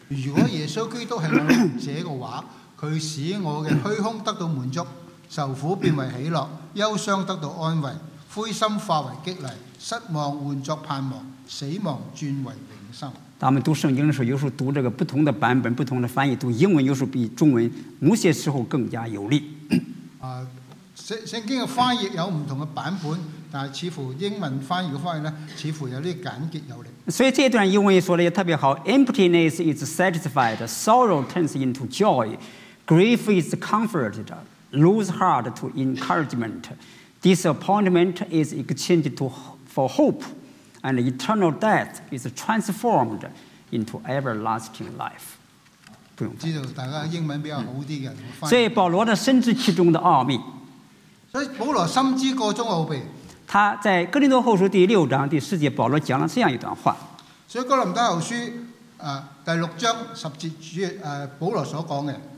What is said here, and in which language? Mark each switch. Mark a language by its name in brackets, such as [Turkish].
[Chinese] 如果耶稣基督是我这个话，他使我的虚空得到满足，受苦变为喜乐，忧伤得到安慰，灰心化为激励，失望换作盼望，死亡转为永生。他们读圣经的时候，有时候读这个不同的版本、不同的翻译，读英文有时候比中文某些时候更加有力。圣经的翻译有不同的版本，但似乎英文翻译的翻译呢，似乎有些简洁有力。所以这段英文也说的也特别好， [English] emptiness is satisfied, sorrow turns into joy, grief is comforted, lose heart to encouragement, disappointment is exchanged for hope, and eternal death is transformed into everlasting life. [Chinese] 不用，知道大家英文比较好啲嘅。所以保罗的深知其中的奥秘。所以保罗深知个中奥秘。他在哥林多后书第六章第四节，保罗讲了这样一段话。所以哥林多后书第六章十节主保罗所讲嘅：